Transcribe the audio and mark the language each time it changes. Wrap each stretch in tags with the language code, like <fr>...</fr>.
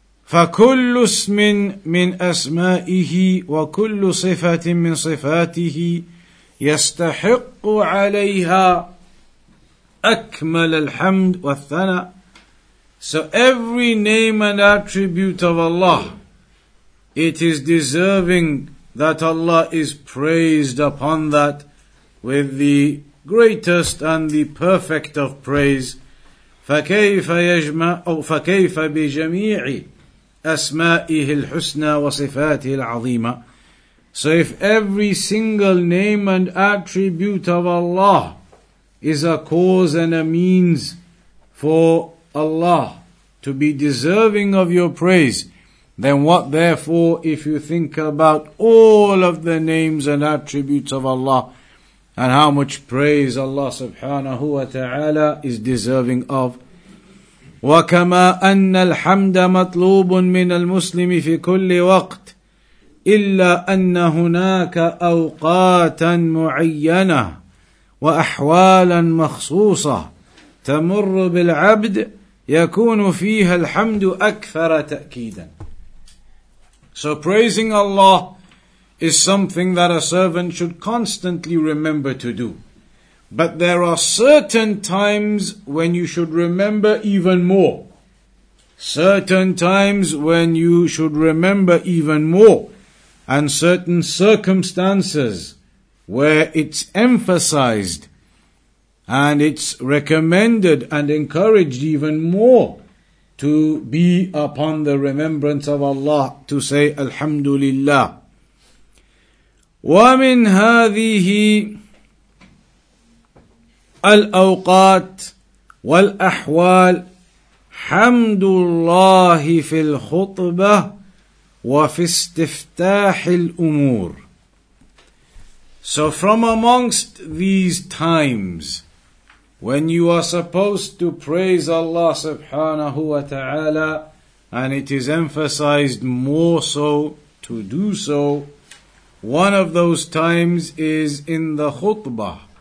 <ar>فَكُلُّ اسْمٍ مِّنْ أَسْمَائِهِ وَكُلُّ صِفَةٍ مِّنْ صِفَاتِهِ يَسْتَحِقُّ عَلَيْهَا أَكْمَلَ الْحَمْدُ وَالثَّنَى.</ar> <en>So every name and attribute of Allah, it is deserving that Allah is praised upon that with the greatest and the perfect of praise.</en> <ar>فَكَيْفَ بِجَمِيعِ أسمائه الحسنى وصفاته العظيمة.</ar> <en>So if every single name and attribute of Allah is a cause and a means for Allah to be deserving of your praise, then what therefore if you think about all of the names and attributes of Allah and how much praise Allah subhanahu wa ta'ala is deserving of.</en> <ar>وكما أن الحمد مطلوب من المسلم في كل وقت إلا أن هناك أوقات معينة وأحوالا مخصوصة تمر بالعبد يكون فيها الحمد أكثر تأكيدا.</ar> <en>So praising Allah is something that a servant should constantly remember to do. But there are certain times when you should remember even more. Certain times when you should remember even more. And certain circumstances where it's emphasized and it's recommended and encouraged even more to be upon the remembrance of Allah to say Alhamdulillah.</en> <ar>وَمِنْ هَذِهِ الأوقات والأحوال حمد الله في الخطبة وفي استفتاح الأمور.</ar> <en>So from amongst these times when you are supposed to praise Allah subhanahu wa ta'ala, and it is emphasized more so to do so, one of those times is in the khutbah.</en>